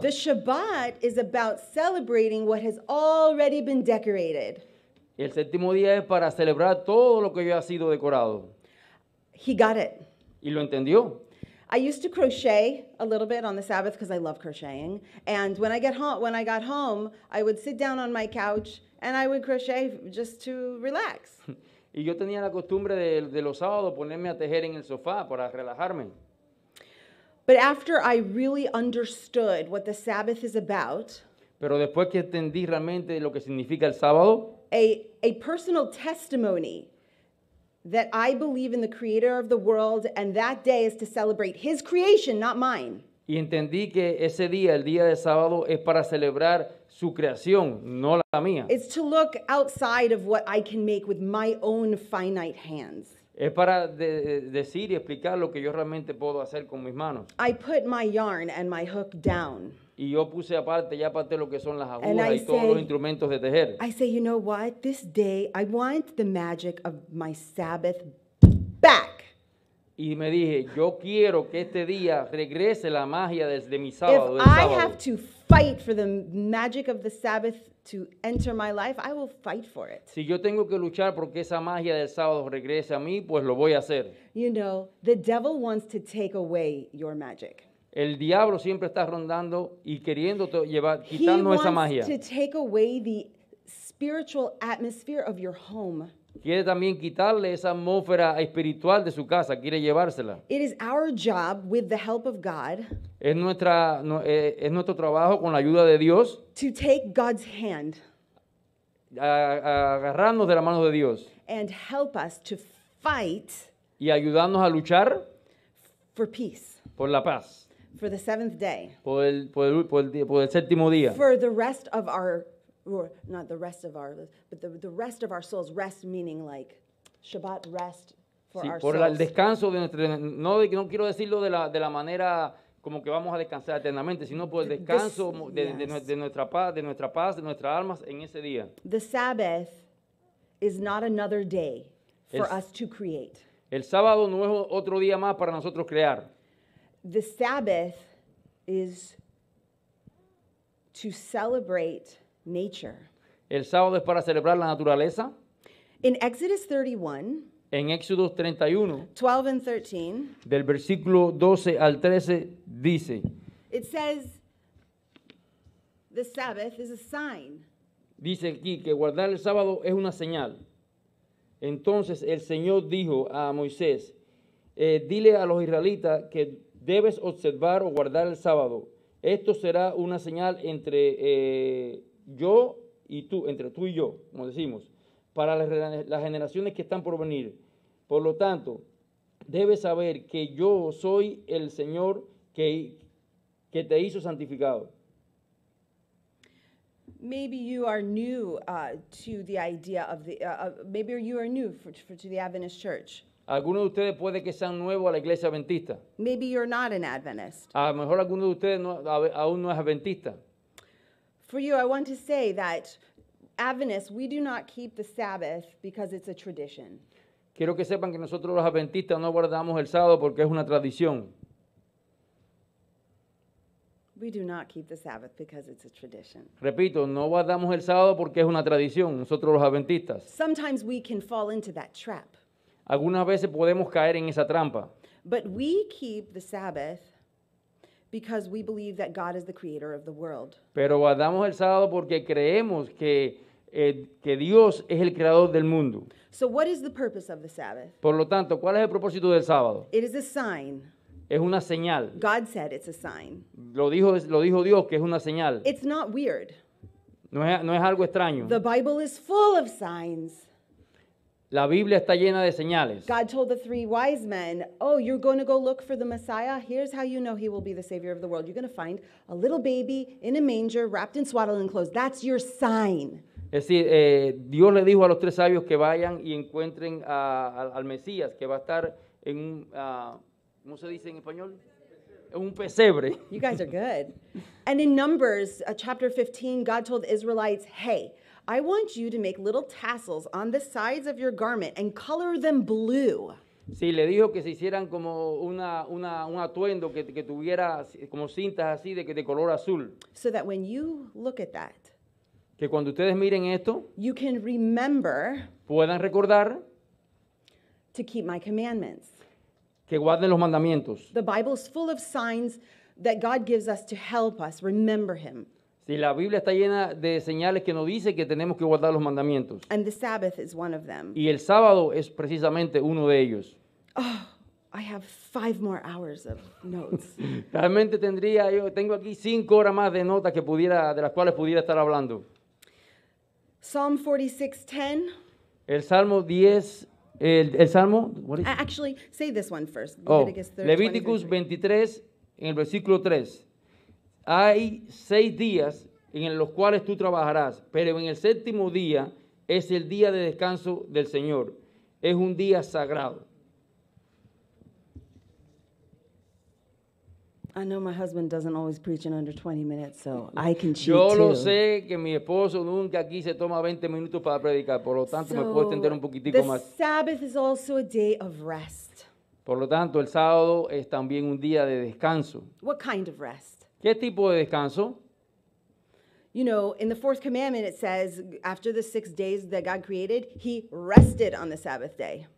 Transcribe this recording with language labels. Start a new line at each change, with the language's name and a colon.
English: The Shabbat is about celebrating what has already been decorated.
Spanish: El séptimo día es para celebrar todo lo que ya ha sido decorado.
English: He got it.
Spanish: Y lo entendió.
English: I used to crochet a little bit on the Sabbath because I love crocheting. And when I got home, I would sit down on my couch and I would crochet just to relax.
Spanish: Y yo tenía la costumbre de los sábados ponerme a tejer en el sofá para relajarme.
English: But after I really understood what the Sabbath is about,
Spanish: pero después que entendí realmente lo que significa el sábado,
English: a personal testimony that I believe in the creator of the world and that day is to celebrate his creation, not mine.
Spanish: Y entendí que ese día, el día de sábado, es para celebrar su creación, no la mía.
English: It's to look outside of what I can make with my own finite hands.
Spanish: Es para decir y explicar lo que yo realmente puedo hacer con mis manos.
English: I put my yarn and my hook down.
Spanish: Y yo puse aparte, ya aparte lo que son las agujas y todos los instrumentos de tejer.
English: I say, "You know what? This day, I want the magic of my Sabbath back."
Spanish: Y me dije, yo quiero que este día regrese la magia desde mi sábado.
English: If
Spanish: sábado.
English: I have to fight for the magic of the Sabbath to enter my life, I will fight for it.
Spanish: Si yo tengo que luchar porque esa magia del sábado regrese a mí, pues lo voy a hacer.
English: You know, the devil wants to take away your magic.
Spanish: El diablo siempre está rondando y queriendo llevar, quitando
English: he
Spanish: esa magia.
English: To take away the spiritual atmosphere of your home.
Spanish: Quiere también quitarle esa atmósfera espiritual de su casa, quiere llevársela.
English: It is our job, with the help of God,
Spanish: es nuestro trabajo con la ayuda de Dios,
English: to take God's hand,
Spanish: agarrarnos de la mano de Dios,
English: and help us to fight,
Spanish: y ayudarnos a luchar
English: for peace,
Spanish: por la paz.
English: For the seventh day.
Spanish: Por el séptimo día.
English: For the rest of our, or not the rest of our, but the rest of our souls. Rest meaning like Shabbat rest for
Spanish: sí,
English: our
Spanish: por
English: souls.
Spanish: Por el descanso de nuestro, no quiero decirlo de la manera como que vamos a descansar eternamente, sino por el descanso de nuestra paz, de nuestras almas en ese día.
English: The Sabbath is not another day for us to create.
Spanish: El sábado no es otro día más para nosotros crear.
English: The Sabbath is to celebrate nature.
Spanish: El sábado es para celebrar la naturaleza.
English: In Exodus 31,
Spanish: en Éxodo 31,
English: 12 and 13,
Spanish: del versículo 12 al 13, dice,
English: it says, the Sabbath is a sign.
Spanish: Dice aquí que guardar el sábado es una señal. Entonces el Señor dijo a Moisés, dile a los israelitas que debes observar o guardar el sábado. Esto será una señal entre yo y tú, entre tú y yo, como decimos, para las generaciones que están por venir. Por lo tanto, debes saber que yo soy el Señor que te hizo santificado.
English: Maybe you are new to the idea of the, maybe you are new to the Adventist Church.
Spanish: Algunos de ustedes puede que sean nuevos a la iglesia adventista.
English: Maybe you're not an Adventist.
Spanish: A lo mejor alguno de ustedes aún no es adventista.
English: For you, I want to say that Adventists, we do not keep the Sabbath because it's a tradition.
Spanish: Quiero que sepan que nosotros los adventistas no guardamos el sábado porque es una tradición.
English: We do not keep the Sabbath because it's a tradition.
Spanish: Repito, no guardamos el sábado porque es una tradición, nosotros los adventistas.
English: Sometimes we can fall into that trap.
Spanish: Algunas veces podemos caer en esa trampa.
English: But we keep the Sabbath because we believe that God is the creator of the world.
Spanish: Pero guardamos el sábado porque creemos que Dios es el creador del mundo.
English: So what is the purpose of the Sabbath?
Spanish: Por lo tanto, ¿cuál es el propósito del sábado?
English: It is a sign.
Spanish: Es una señal.
English: God said it's a sign.
Spanish: Lo dijo Dios que es una señal.
English: It's not weird.
Spanish: No es algo extraño.
English: The Bible is full of signs.
Spanish: La Biblia está llena de señales.
English: God told the three wise men, oh, you're going to go look for the Messiah. Here's how you know he will be the savior of the world. You're going to find a little baby in a manger wrapped in swaddling clothes. That's your sign.
Spanish: Es decir, Dios le dijo a los tres sabios que vayan y encuentren al Mesías, que va a estar en un... ¿Cómo se dice en español? Un pesebre.
English: You guys are good. And in Numbers, chapter 15, God told the Israelites, hey, I want you to make little tassels on the sides of your garment and color them blue.
Spanish: Sí, le dijo que se hicieran como un atuendo que tuviera como cintas así de color azul.
English: So that when you look at that,
Spanish: que cuando ustedes miren esto,
English: you can remember,
Spanish: puedan recordar,
English: to keep my commandments.
Spanish: Que guarden los mandamientos.
English: The Bible is full of signs that God gives us to help us remember him.
Spanish: Sí, la Biblia está llena de señales que nos dice que tenemos que guardar los mandamientos.
English: And the Sabbath is one of them.
Spanish: Y el sábado es precisamente uno de ellos.
English: Oh, I have 5 more hours of notes.
Spanish: Realmente tendría yo, tengo aquí 5 horas más de notas que pudiera, de las cuales pudiera estar hablando.
English: Psalm 46:10.
Spanish: El Salmo 10. El Salmo,
English: what is it? Actually, say this one first.
Spanish: Levíticos 23, en el versículo 3. Hay 6 días en los cuales tú trabajarás, pero en el séptimo día es el día de descanso del Señor. Es un día sagrado.
English: I know my husband doesn't always preach in under 20 minutes, so I can cheat too.
Spanish: Yo lo sé que mi esposo nunca aquí se toma 20 minutos para predicar, por lo tanto
English: so,
Spanish: me puedo extender un poquitico
English: the
Spanish: más.
English: The Sabbath is also a day of rest.
Spanish: Por lo tanto, el sábado es también un día de descanso.
English: What kind of rest?
Spanish: ¿Qué tipo de descanso?
English: You know, in the fourth commandment it says, after the 6 days that God created, he rested on the Sabbath day.